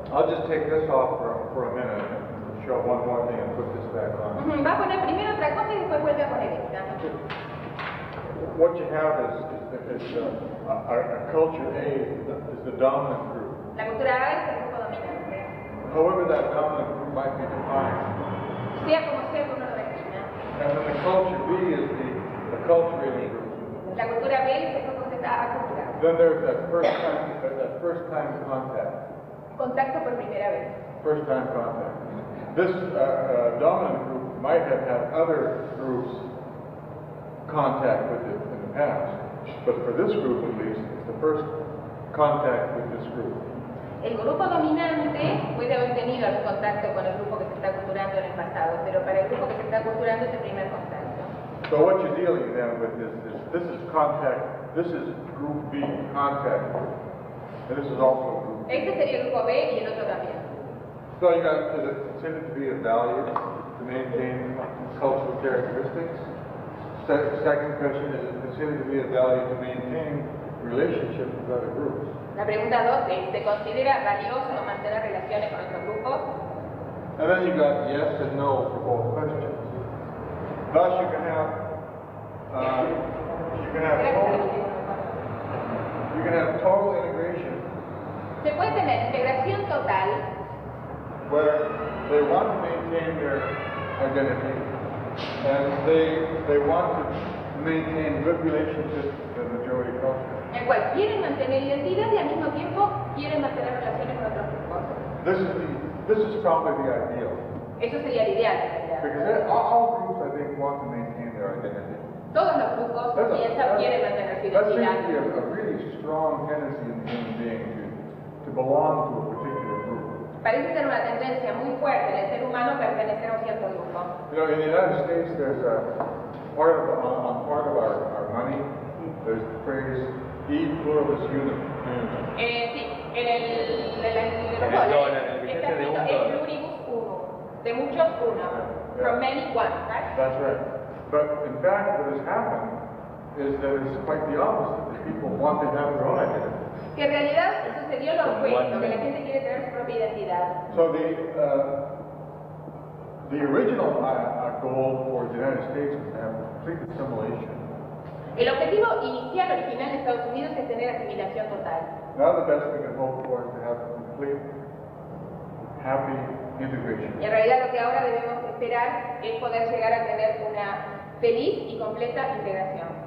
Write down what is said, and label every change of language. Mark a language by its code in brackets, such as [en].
[en] I'll just take this off for a minute and show one more thing and put this back on. Mm-hmm. [es] Va a poner primero otra cosa y después vuelve a poner esta. [en] What you have is a culture A is the dominant group. [es] La cultura A es el grupo dominante. [en] However that dominant group might be defined. [es] Sea como sea uno lo defina. [en] And then the culture B is the acculturated group. [es] La cultura B es el grupo que está aculturado. [en] Then there's that first time contact. [es] Contacto por primera vez. [en] First time contact. This dominant group might have had other groups contact with it in the past, but for this group at least, it's the first contact with this group. [es] El grupo dominante puede haber tenido algún contacto con el grupo que se está culturando en el pasado, pero para el grupo que se está culturando es el primer contacto. [en] So what you're dealing then with is this is contact, this is group B contact group, and this is also group B. [es] Este sería el grupo B y el otro también. [en] So you got to consider it to be a value to maintain cultural characteristics. Second question is considered to be a value to maintain relationships with other groups. [es] La pregunta dos es, ¿se considera valioso mantener relaciones con otros grupos? [en] And then you got yes and no for both questions. Thus you can have total integration. [es] Se puede tener integración total. [en] Where they want to maintain their identity. And they want to maintain good relationships with the majority culture. [es] En cual quieren mantener identidad y al mismo tiempo quieren mantener relaciones con otros grupos. [en] This is probably the ideal. [es] Eso sería el ideal. [en] Because all groups, I think, want to maintain their identity. [es] Todos los grupos piensan quieren mantener su identidad. [en] That seems to be a really strong tendency in the human being to belong to a particular group. [es] Parece ser una tendencia muy fuerte del ser humano pertenecer a un cierto grupo. [en] You know, in the United States, there's a part of our money. There's the phrase [la] "E pluribus unum." [es] Sí, de muchos uno, [en] yeah. From many one, right? That's right. But in fact, what has happened is that it's quite the opposite. The people want to have their own identity. [es] Que en realidad sucedió lo opuesto, que la gente quiere tener su propia identidad. [en] So the original goal for the United States was to have complete assimilation. [es] El objetivo inicial original de Estados Unidos es tener asimilación total. [en] Now the best we can hope for is to have complete happy integration. [es] Y en realidad lo que ahora debemos esperar es poder llegar a tener una feliz y completa integración.